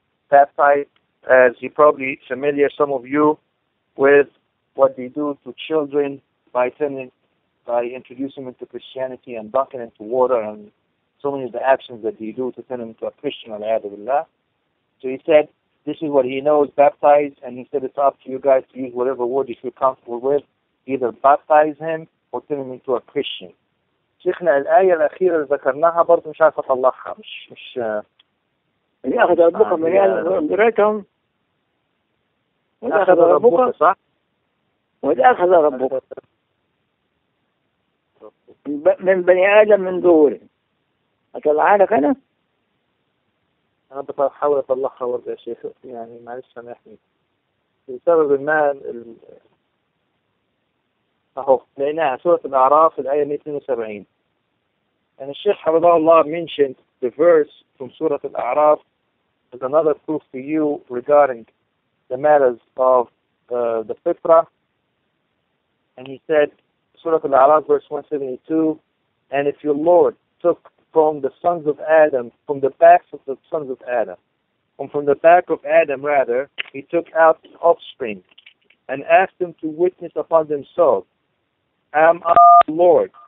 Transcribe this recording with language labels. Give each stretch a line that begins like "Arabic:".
English: Baptize, as you probably familiar, some of you, with what they do to children by introducing them to Christianity and dunking into water and so many of the actions that they do to turn them into a Christian, alhamdulillah. So he said, this is what he knows, baptize, and he said, it's up to you guys to use whatever word you feel comfortable with, either baptize him or turn him into a Christian.
Arabic: شيخنا الآية الأخيرة اللي ذكرناها برضه مش عارف أطلعها, مش اللي أخذ ربك من ذريتهم. أخذ ربك صح؟ وإذا أخذ ربك من بني آدم من دور أطلعها لك أنا؟ أنا بحاول أطلعها برضه يا شيخ, يعني معلش سامحني بسبب المال. أهو لقيناها, سورة الأعراف الآية 172.
English: And الشيخ حفظه الله mentioned the verse from سورة الأعراف as another proof to you regarding the matters of the fitrah. And he said, سورة الأعراف verse 172, and if your Lord took from the sons of Adam, from the backs of the sons of Adam, from the back of Adam rather, he took out the offspring and asked them to witness upon themselves, am I the Lord?